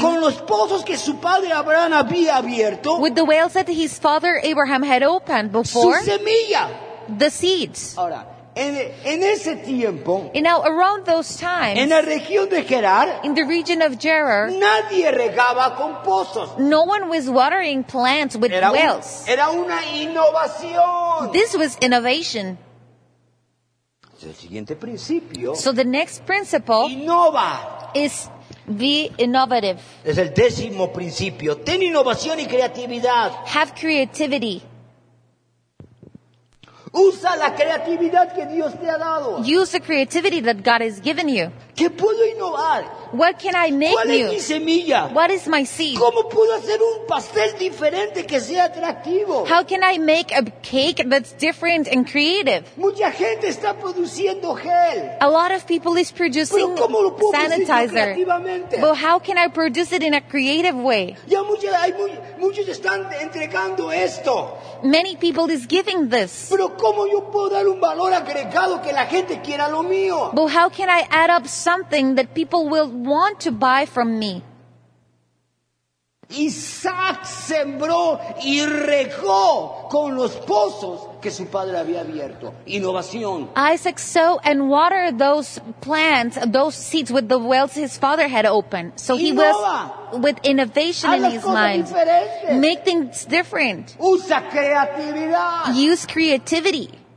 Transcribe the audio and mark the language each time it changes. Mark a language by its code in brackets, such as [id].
[es] con los pozos que su padre Abraham había abierto [en] with the wells that his father Abraham had opened before [es] su semilla. [en] The seeds. [es] Ahora, en ese tiempo, [en] and now around those times [es] en la región de Gerar, [en] in the region of Gerar [es] nadie regaba con pozos. [en] No one was watering plants with [es] era [en] wells. [es] Era una innovación. [en] This was innovation. [es] El siguiente principio. [en] So the next principle [es] innova. [en] Is be innovative. [es] Es el décimo principio. Ten innovación y creatividad. [en] Have creativity. [es] Usa la creatividad que Dios te ha dado. [en] Use the creativity that God has given you. [es] ¿Qué puedo innovar? [en] What can I make [es] ¿Cuál [en] new? [es] Es mi semilla? [en] What is my seed? [es] ¿Cómo puedo hacer un pastel diferente que sea atractivo? [en] How can I make a cake that's different and creative? [es] Mucha gente está produciendo gel. [en] A lot of people is producing [es] ¿Pero cómo lo puedo [en] sanitizer. [es] Creativamente? [en] But how can I produce it in a creative way? [es] Ya muchos están entregando esto. [en] Many people is giving this. [es] ¿Pero cómo yo puedo dar un valor agregado que la gente quiera lo mío? [en] But how can I add up something that people will want to buy from me? [es] Isaac sembró y regó con los pozos que su padre había abierto. Innovación. [en] Isaac sowed and watered those plants, those seeds with the wells his father had opened. So he [es] Innova. [en] Was with innovation [es] Haz [en] in his mind. [es] Diferentes. [en] Make things different. [es] Usa creatividad. [en] Use creativity.